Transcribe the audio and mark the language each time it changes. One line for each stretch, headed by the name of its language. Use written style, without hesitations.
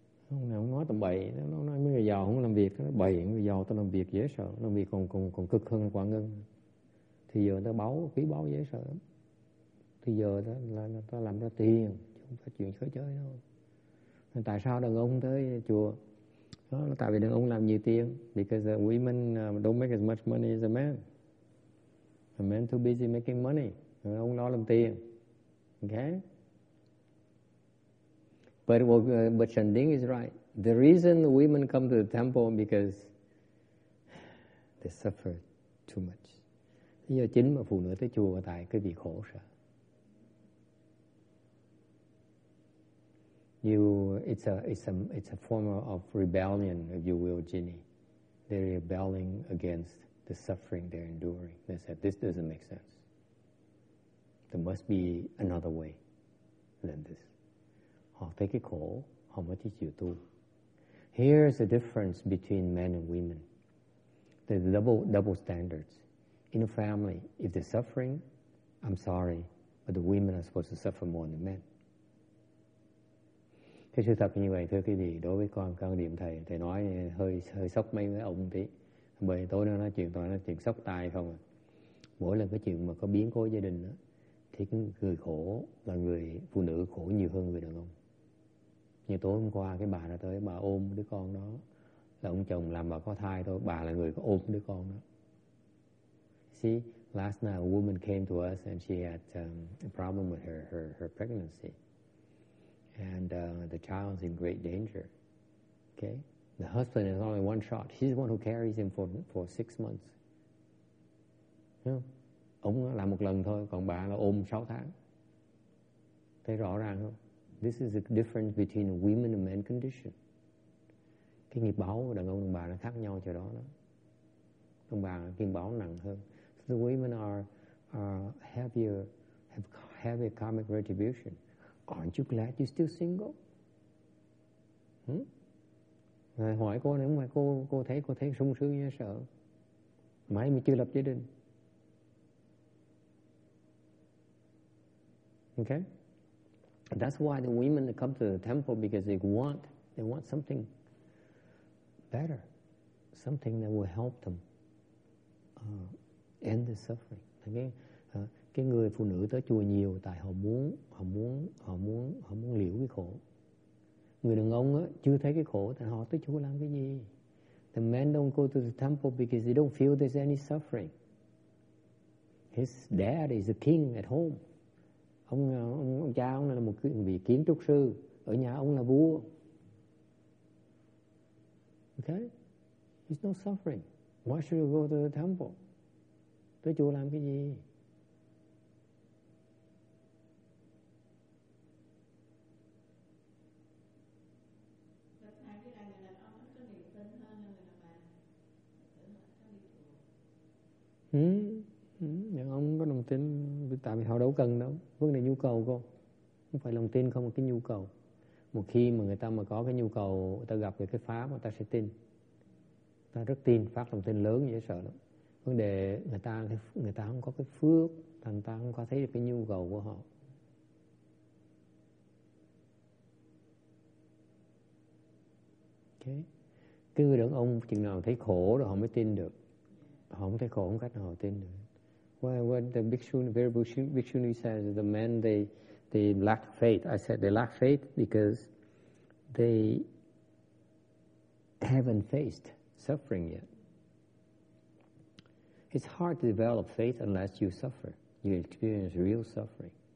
Vietnamese: Ông này ông nói tầm bậy, nó nói mấy người giàu không làm việc, nó bậy, người giàu tao làm việc dễ sợ, làm việc còn cực hơn Quảng Ngân. Thì giờ tao báo, quý báo dễ sợ lắm. Thì giờ tao làm ra tiền, chứ không phải chuyện khởi chơi đâu. Nên tại sao đàn ông tới chùa? Đó là tại vì đàn ông làm nhiều tiền.
English: Because the women don't make as much money as a man. The men too busy making money.
Vietnamese: Đàn ông lo làm tiền.
English: Okay? But what but Chanding is right. The reason women come to the temple because they suffer too much.
Vietnamese: Lý do chính mà phụ nữ tới chùa là tại cái vì khổ sợ.
English: It's a form of rebellion, if you will, Ginny. They're rebelling against the suffering they're enduring. They said this doesn't make sense. There must be another way than this.
Vietnamese: Họ thấy cái khổ, họ mới thích chịu tu.
English: Here's the difference between men and women. There's double standards. In a family, if they're suffering, I'm sorry, but the women are supposed to suffer more than men.
Vietnamese: Cái sự thật như vậy, thưa quý vị, đối với con quan điểm thầy, thầy nói hơi sốc mấy ông tí. Bởi tối nó nói chuyện, toàn nói chuyện sốc tai không à. Mỗi lần cái chuyện mà có biến cố gia đình đó, thì người khổ là người phụ nữ khổ nhiều hơn người đàn ông. Như tối hôm qua cái bà đã tới, bà ôm đứa con đó. Là ông chồng làm bà có thai thôi, bà là người có ôm đứa con đó.
English: See, last night a woman came to us and she had a problem with her pregnancy. And the child is in great danger. Okay? The husband is only one shot. He's the one who carries him for 6 months. You know?
Vietnamese: Ông làm một lần thôi, còn bà là ôm 6 tháng. Thấy rõ ràng không?
English: This is the difference between a women and men condition.
Vietnamese: Cái nghiệp báo của đàn ông đàn bà nó khác nhau chỗ đó đó. Đàn bà nghiệp báo nặng hơn.
English: So the women are heavier, have heavier karmic retribution. Aren't you glad you're still single?
Vietnamese: Rồi hỏi cô nếu mà cô thấy sung sướng như sợ. Mấy mình chưa lập gia đình.
English: Okay? That's why the women that come to the temple because they want something better. Something that will help them end the suffering. Okay?
Vietnamese: Cái người phụ nữ tới chùa nhiều tại họ muốn liễu cái khổ. Người đàn ông á chưa thấy cái khổ thì họ tới chùa làm cái gì?
English: The men don't go to the temple because they don't feel there's any suffering. His dad is a king at home.
Vietnamese: Ông cha ông là một vị kiến trúc sư, ở nhà ông là vua.
English: Okay? He's no suffering. Why should you go to the temple?
Vietnamese: Tới chùa làm cái gì? Nhưng ông có lòng tin, tại vì họ đâu cần đâu. Vấn đề nhu cầu cô. Không phải lòng tin không, mà cái nhu cầu. Một khi mà người ta mà có cái nhu cầu, người ta gặp được cái pháp, người ta sẽ tin. Người ta rất tin, phát lòng tin lớn, dễ sợ lắm. Vấn đề người ta không có cái phước, người ta không có thấy được cái nhu cầu của họ. Okay. Cái người đàn ông chừng nào thấy khổ rồi họ mới tin được. Họ không thấy khổ, không cách nào họ tin được.
English: What the Bhikshuni says is the men, they lack faith. I said they lack faith because they haven't faced suffering yet. It's hard to develop faith unless you suffer. You experience real suffering.